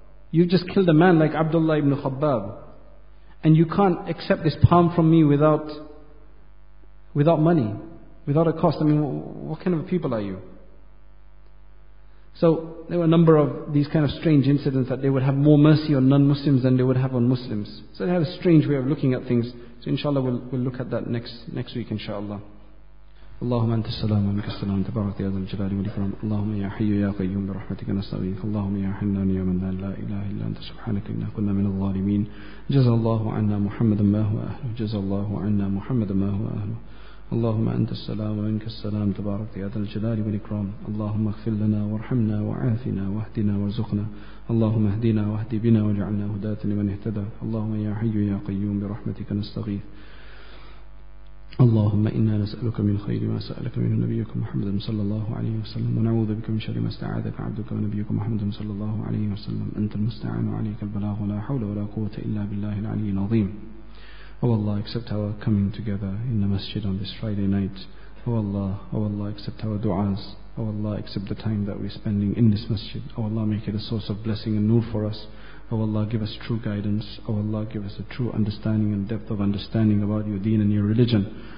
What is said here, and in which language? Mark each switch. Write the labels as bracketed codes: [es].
[en] You've just killed a man like Abdullah ibn Khabbab. And you can't accept this palm from me without money. Without a cost. I mean, what kind of people are you? So there were a number of these kind of strange incidents that they would have more mercy on non-Muslims than they would have on Muslims. So they had a strange way of looking at things. So inshallah we'll look at that next week inshallah. [ar] اللهم انت السلام ومنك السلام تبارك يا ذا الجلال والاكرام اللهم يا حي يا قيوم برحمتك نستغيث اللهم يا حنان يا منان لا اله الا انت سبحانك انا كنا من الظالمين جزى الله عنا محمدا ما هو اهله جزى الله عنا محمدا ما هو اهله اللهم انت السلام ومنك السلام تبارك يا ذا الجلال والاكرام اللهم اغفر لنا وارحمنا وعافنا واهدنا وارزقنا اللهم اهدنا واهد بنا واجعلنا هداة لمن اهتدى اللهم يا حي يا قيوم برحمتك نستغيث اللهم إنا نسألك من خير ما سألك منه نبيك محمد صلى الله عليه وسلم ونعوذ بك من شر ما استعاذك عبدك ونبيك محمد صلى الله عليه وسلم أنت المستعان عليك البلاغ ولا حول ولا قوة إلا بالله العلي العظيم. [en] Oh Allah, accept our coming together in the masjid on this Friday night. Oh Allah, accept our du'as. Oh Allah, accept the time that we're spending in this masjid. Oh Allah, make it a source of blessing and nur for us. O Allah, give us true guidance. O Allah, give us a true understanding and depth of understanding about your deen and your religion.